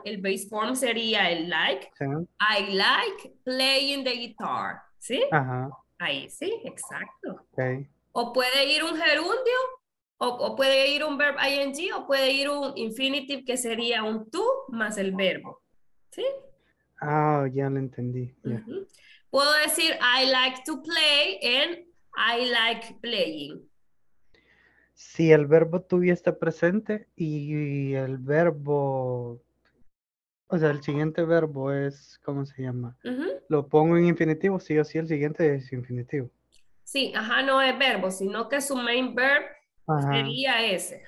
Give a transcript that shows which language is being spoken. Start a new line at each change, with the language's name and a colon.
Spanish: El base form sería el like. Sí.
English: I like playing the guitar,
Spanish: ¿sí? Ajá. Ahí, sí, exacto. Okay. O puede ir un gerundio, o puede ir un verb ing, o puede ir un infinitive que sería un to más el verbo, ¿sí? Ah, oh, ya lo entendí.
English: Yeah. Uh-huh.
Spanish: Puedo decir
English: I like to play and I like playing.
Spanish: Si el verbo tuviese presente y el verbo, o sea, el siguiente verbo es, ¿cómo se llama? Uh-huh. Lo pongo en infinitivo, sí o sí, el siguiente es infinitivo. Sí, ajá, no es verbo, sino que su main verb sería ese.